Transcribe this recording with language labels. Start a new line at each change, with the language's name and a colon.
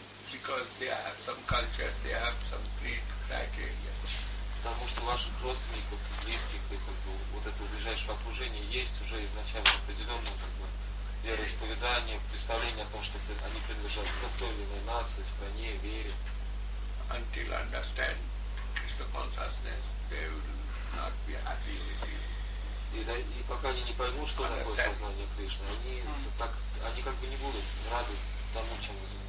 English: Because they have some culture, they have some great criteria.
Russian: Потому что ваших родственников, близких, вот это ближайшее окружение есть уже изначально определенное вероисповедание, представление о том, что они принадлежат к той или иной нации, стране, вере.
English: Until understand Krishna consciousness, they will not be happy.
Russian: И пока они не поймут, что такое сознание Кришны, они как бы не будут рады тому, чем вы